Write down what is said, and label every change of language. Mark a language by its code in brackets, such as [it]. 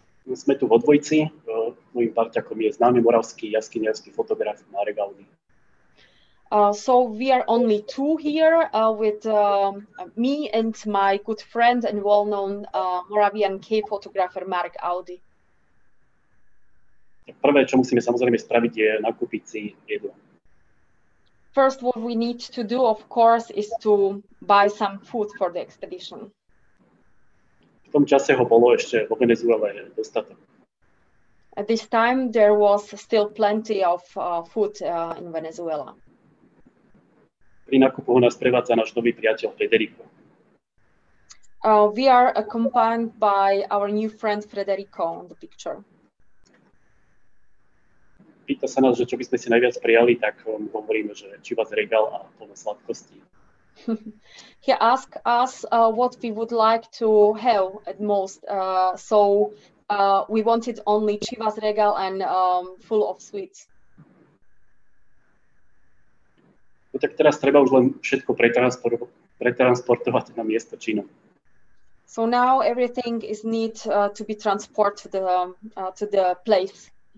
[sk] Sme tu vo dvojici, môjim parťakom je známy moravský jaskyniarsky fotograf Marek Audi. [en] So we are only two here with me and my good friend and well-known Moravian cave photographer Marek Audi. [sk] Prvé, čo musíme samozrejme spraviť, je nakúpiť si jedlo. [en] First, what we need to do, of course, is to buy some food for the expedition. [sk] V tom čase ho bolo ešte vo Venezuele dostatok. [en] At this time, there was still plenty of food in Venezuela. [sk] Pri nákupu ho nás prevádza náš nový priateľ Federico. [en] We are accompanied by our new friend Federico on the picture. [sk] Pýta sa nás, že čo by sme si najviac prijali, tak hovoríme, že čivas regál a plno sladkosti. [en] He asked us what we would like to have at most. So we wanted only chivas regal and full of sweets. [sk] No tak teraz treba už len všetko pretransportovať na miesto činu. [en] So now everything is need to be transported to the place.